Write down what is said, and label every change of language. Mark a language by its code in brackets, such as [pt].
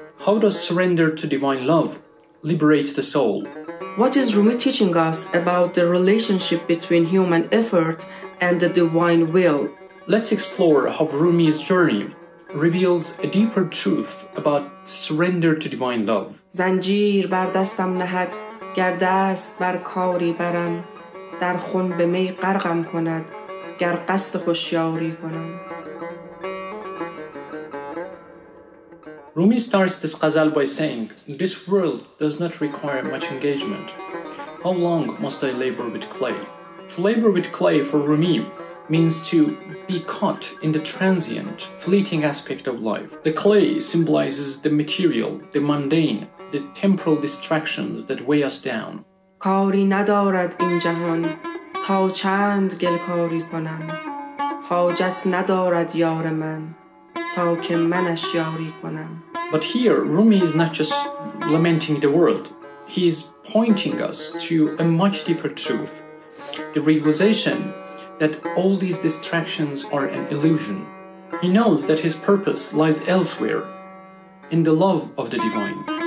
[en] How does surrender to divine love liberate the soul? What is Rumi teaching us about the relationship between human effort and the divine will? Let's explore how Rumi's journey reveals a deeper truth about surrender to divine love. [fa] زنجیر بر دستم نهد گر دست بر کاری برم در خون به می غرقم کند گر قصد خوشیاری کنم. [en] Rumi starts this ghazal by saying, "This world does not require much engagement. How long must I labor with clay?" To labor with clay for Rumi means to be caught in the transient, fleeting aspect of life. The clay symbolizes the material, the mundane, the temporal distractions that weigh us down. [fa] کاری ندارد این جهان تا چند گل کاری کنم حاجت ندارد یار من تا که منش یاری کنم. [en] But here, Rumi is not just lamenting the world. He is pointing us to a much deeper truth, the realization that all these distractions are an illusion. He knows that his purpose lies elsewhere, in the love of the divine.